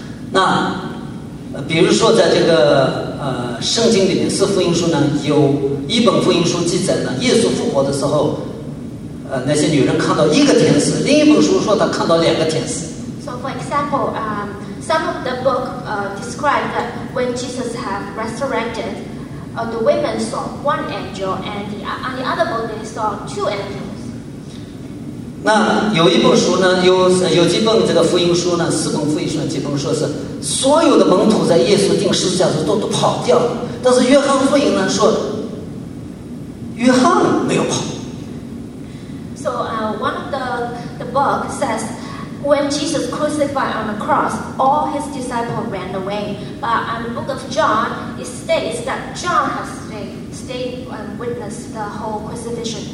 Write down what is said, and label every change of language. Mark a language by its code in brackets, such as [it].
[zh] 那比如说在这个圣经里面四福音书呢，有一本福音书记载呢，耶稣复活的时候，那些女人看到一个天使，另一本书说她看到两个天使。 [en] So for example, some of the book describe that when Jesus have resurrected, the women saw one angel, and on the other book they saw two angels. [zh] 那有一本书呢，有几本这个福音书呢，四本福音书，几本说是所有的门徒在耶稣定十字架时都跑掉了，但是约翰福音呢说，约翰没有跑。 [en] So one of the book says, when Jesus crucified on the cross, all his disciples ran away. But on the book of John, it states that John has They witnessed the whole crucifixion.